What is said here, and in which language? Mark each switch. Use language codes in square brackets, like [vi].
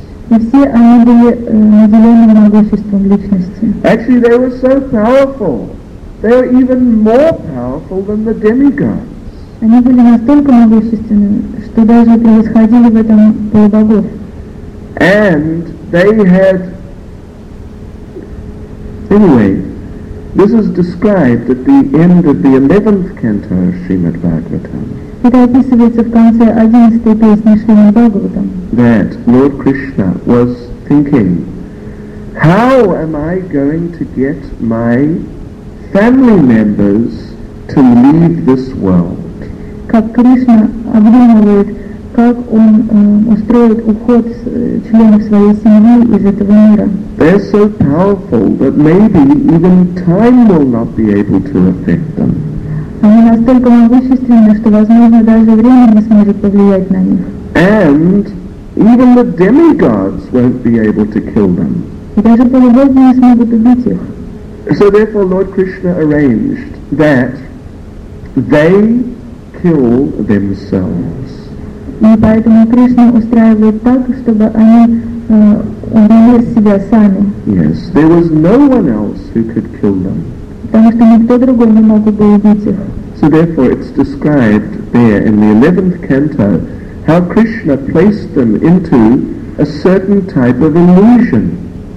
[ru] И все они были наделены могуществом личности. [en] Actually, they were so powerful. They were even more powerful than the demigods. [ru] Они были настолько могущественными, что даже превосходили в этом полубогов. [en] And they had... Anyway, this is described at the end of the 11th canto of Srimad Bhagavatam. [ru] Это описывается в конце 11-й песни Шримад Бхагаватам. [en] That Lord Krishna was thinking, how am I going to get my family members to leave this world? [ru] Как Кришна обдумывает, как он устроит уход членов своей семьи из этого мира. [en] They're so powerful that maybe even time will not be able to affect them. [ru] Они настолько могущественны, что, возможно, даже время не сможет повлиять на них. [en] And even the demigods won't be able to kill them. [ru] И даже полубоги не смогут убить их. [en] So therefore Lord Krishna arranged that they kill themselves. [ru] И поэтому Кришна устраивает так, чтобы они убили себя сами. [en] Yes, there was no one else who could kill them. [ru] Потому что никто другой не мог бы убить их. [en] So therefore it's described there in the 11th canto how Krishna placed them into a certain type of illusion.